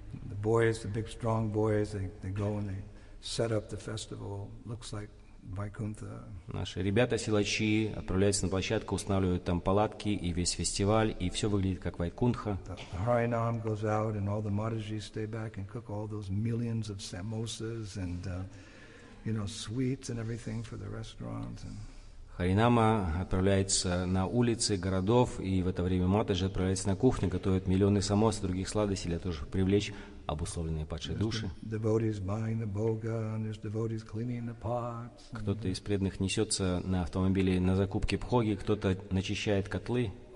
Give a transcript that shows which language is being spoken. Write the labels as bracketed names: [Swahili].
[English] The boys, the big strong boys, they go and they set up the festival. Looks like Vaikuntha. [Russian] Наши ребята-силачи отправляются на площадку, устанавливают там палатки и весь фестиваль, и все выглядит как Вайкунха. [English] The Harinam goes out, and all the Matajis stay back and cook all those millions of samosas and, you know, sweets and everything for the restaurants. [Russian] Харинама отправляется на улицы городов, и в это время Матаджи отправляется на кухню, готовит миллионы самос и других сладостей для того, чтобы привлечь обусловленные падшие души. Кто-то из преданных несется на автомобиле на закупки пхоги, кто-то начищает котлы.